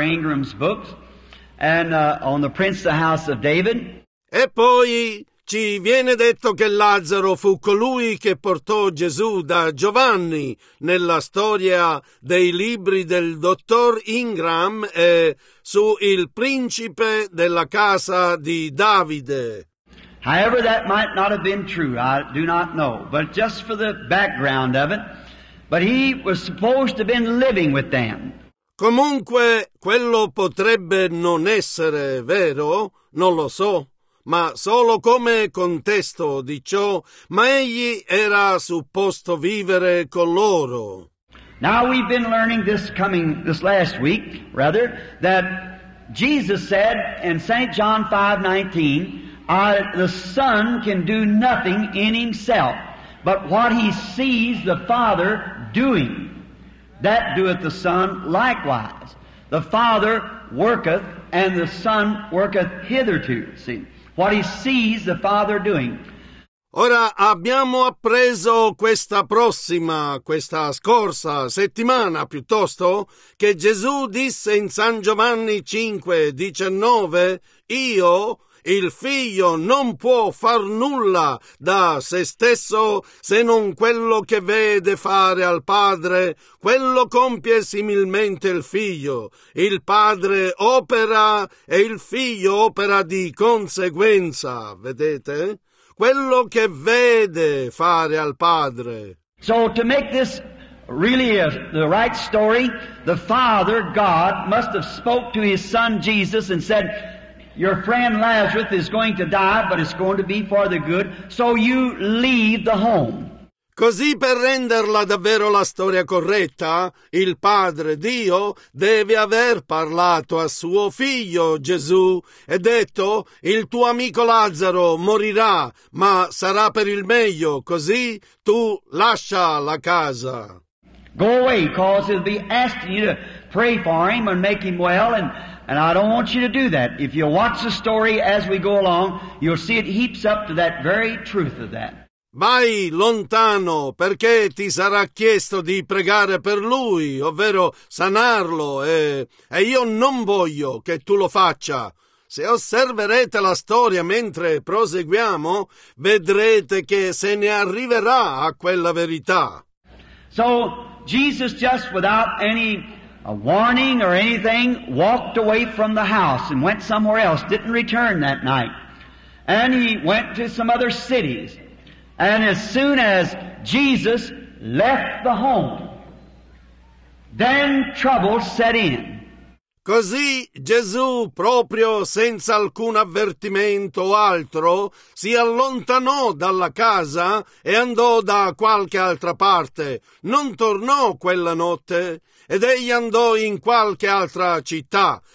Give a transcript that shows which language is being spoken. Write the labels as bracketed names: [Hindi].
[English] Ingram's books and on the Prince of the House of David. [Italian] E poi ci viene detto che Lazzaro fu colui che portò Gesù da Giovanni nella storia dei libri del dottor Ingram e su il principe della casa di Davide. [English] However, that might not have been true. I do not know. But just for the background of it, but he was supposed to have been living with them. [Italian] Comunque, quello potrebbe non essere vero, non lo so, ma solo come contesto di ciò, ma egli era supposto vivere con loro. [English] Now we've been learning this last week, rather, that Jesus said in St. John 5:19, the Son can do nothing in himself, but what he sees the Father doing, that doeth the Son likewise. The Father worketh, and the Son worketh hitherto. See, what he sees the Father doing. [Italian] Ora abbiamo appreso questa scorsa settimana piuttosto, che Gesù disse in San Giovanni 5:19: Io, il Figlio, non può far nulla da se stesso se non quello che vede fare al Padre, quello compie similmente il Figlio. Il Padre opera e il Figlio opera di conseguenza, vedete? Quello che vede fare al Padre. [English] So to make this really the right story, the Father, God, must have spoke to his Son Jesus and said, your friend Lazarus is going to die, but it's going to be for the good, so you leave the home. [Italian] Così per renderla davvero la storia corretta, il Padre Dio deve aver parlato a suo figlio Gesù e detto: il tuo amico Lazzaro morirà, ma sarà per il meglio, così tu lascia la casa. [English] Go away, cause he'll be asking you to pray for him and make him well, and I don't want you to do that. If you watch the story as we go along, you'll see it heaps up to that very truth of that. [Italian] Vai lontano, perché ti sarà chiesto di pregare per lui, ovvero sanarlo, e io non voglio che tu lo faccia. Se osserverete la storia mentre proseguiamo, vedrete che se ne arriverà a quella verità. [English] So, Jesus just without any warning or anything, walked away from the house and went somewhere else, didn't return that night. And he went to some other cities. And as soon as Jesus left the home, then trouble set in. [Italian] Così Gesù, proprio senza alcun avvertimento o altro, si allontanò dalla casa e andò da qualche altra parte. Non tornò quella notte, ed egli andò in qualche altra città.